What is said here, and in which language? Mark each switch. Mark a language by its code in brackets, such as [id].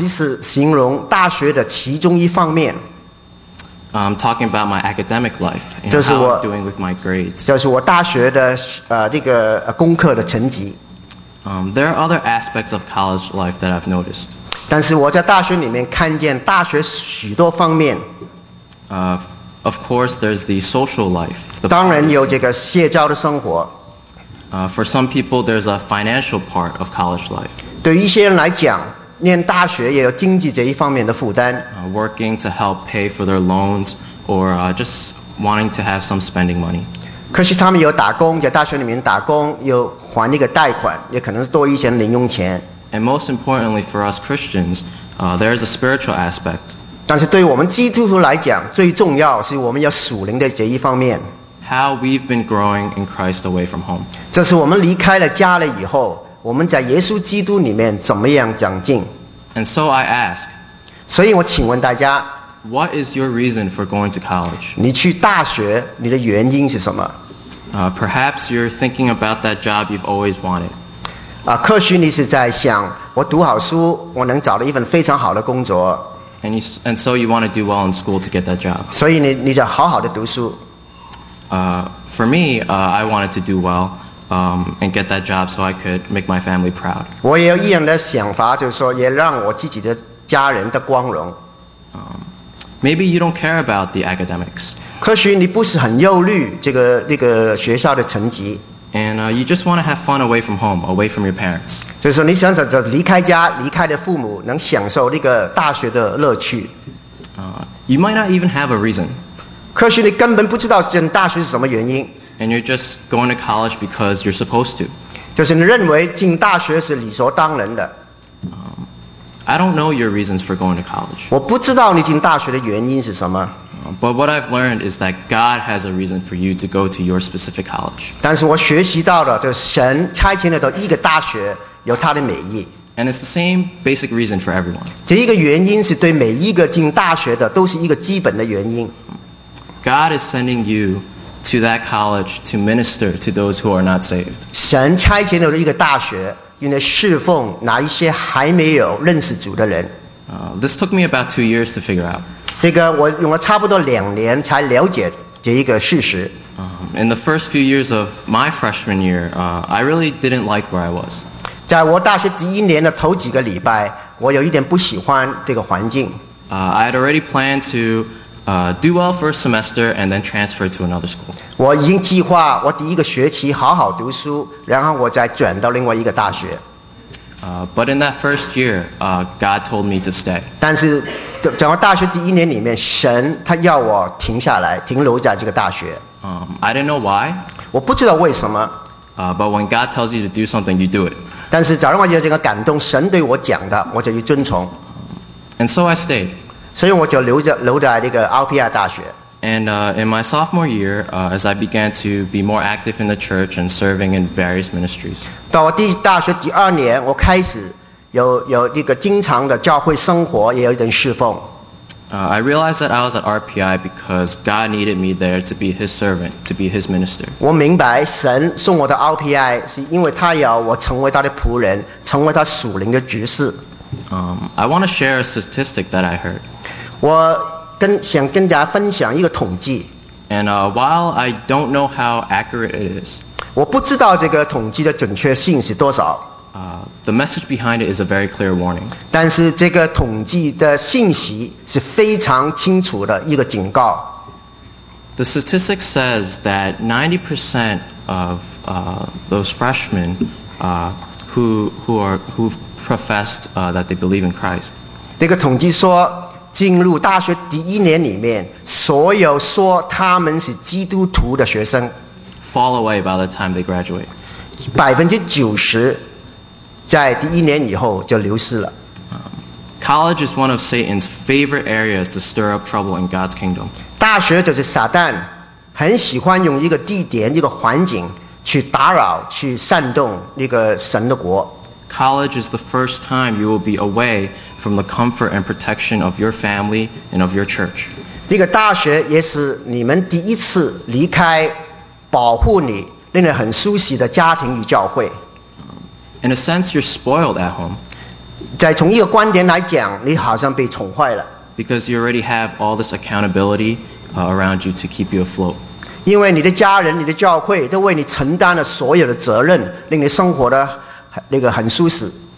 [zh] 但是我这个回答只是形容大学的其中一方面。 [en] I'm talking about my academic life, and how I'm doing with my grades. [zh] 就是我大学的那个功课的成绩。 [en] There are other aspects of college life that I've noticed. [zh] 但是我在大学里面看见大学许多方面。 [en] Of course, there's the social life. [zh] 当然有这个社交的生活。 [en] For some people, there's a financial part of college life. [zh] 对一些人来讲，念大学也有经济这一方面的负担。 [en] Working to help pay for their loans, or just wanting to have some spending money. [zh] 可是他们有打工，在大学里面打工，有还那个贷款，也可能是多一些零用钱。 [en] And most importantly for us Christians, there is a spiritual aspect. [zh] 但是对我们基督徒来讲，最重要是我们要属灵的这一方面。 [en] how we've been growing in Christ away from home. [zh] 这是我们离开了家了以后，我们在耶稣基督里面怎么样长进？ [en] And so I ask, [zh] 所以我请问大家， [en] What is your reason for going to college? [zh] 你去大学，你的原因是什么？ [en] Perhaps you're thinking about that job you've always wanted. [zh] 或许你是在想，我读好书，我能找到一份非常好的工作。 [en] And so you want to do well in school to get that job. [zh] 所以你就好好的读书。 [en] For me, I wanted to do well, and get that job so I could make my family proud. [zh] 我也有一样的想法，就是说，也让我自己的家人的光荣。 [en] Maybe you don't care about the academics. [zh] 或许你不是很忧虑这个学校的成绩。 [en] And you just want to have fun away from home, away from your parents. [zh] 就是说你想着离开家，离开的父母，能享受那个大学的乐趣。 [en] You might not even have a reason. [zh] 或许你根本不知道进大学是什么原因。 [en] And you're just going to college because you're supposed to. [zh] 就是你认为进大学是理所当然的。 [en] I don't know your reasons for going to college. [zh] 我不知道你进大学的原因是什么。 [en] But what I've learned is that God has a reason for you to go to your specific college. [zh] 但是我学习到了，就是神差遣你到一个大学，有他的美意。 [en] And it's the same basic reason for everyone. [zh] 这一个原因是对每一个进大学的都是一个基本的原因。 [en] God is sending you to that college to minister to those who are not saved. [zh] 神差遣你到一个大学，用来侍奉那一些还没有认识主的人。 [en] This took me about 2 years to figure out. [zh] 这个我用了差不多两年才了解这一个事实。 [en] In the first few years of my freshman year, I really didn't like where I was. [zh] 在我大学第一年的头几个礼拜，我有一点不喜欢这个环境。 [en] I had already planned to do well for a semester and then transfer to another school. [zh] 我已经计划我第一个学期好好读书，然后我再转到另外一个大学。 [en] But in that first year, God told me to stay. [zh] 但是整个大学第一年里面，神他要我停下来，停留在这个大学。 [en] I didn't know why. [zh] 我不知道为什么。 [en] But when God tells you to do something, you do it. [zh] 但是早上我有这个感动，神对我讲的，我就去遵从。 [en] And so I stayed. [zh] 所以我就留在这个 RPI 大学。 [en] And in my sophomore year, as I began to be more active in the church and serving in various ministries. [zh] 到我大学第二年，我开始。有一个经常的教会生活，也有一点侍奉。 [en] I realized that I was at RPI because God needed me there to be His servant, to be His minister. [zh] 我明白神送我到 RPI 是因为他要我成为他的仆人，成为他属灵的执事。 [en] I want to share a statistic that I heard. [zh] 我想跟大家分享一个统计。 [en] And while I don't know how accurate it is, [zh] 我不知道这个统计的准确性是多少。 [en] The message behind it is a very clear warning. [zh] 但是这个统计的信息是非常清楚的一个警告。 [en] The statistic says that 90% of those freshmen who've professed that they believe in Christ. [zh] 这个统计说，进入大学第一年里面，所有说他们是基督徒的学生 [en] fall away by the time they graduate. [zh] 90%在第一年以后就流失了。 [en] College is one of Satan's favorite areas to stir up trouble in God's kingdom. [zh] 大学就是撒旦很喜欢用一个地点、一个环境去打扰、去煽动那个神的国。 [en] College is the first time you will be away from the comfort and protection of your family and of your church. [zh] 那个大学也是你们第一次离开保护你、令人很舒适的家庭与教会。 [en] In a sense, you're spoiled at home. [zh] 在从一个观点来讲，你好像被宠坏了。 [en] Because you already have all this accountability around you to keep you afloat. [zh] 因为你的家人、你的教会都为你承担了所有的责任，令你生活的那个很舒适。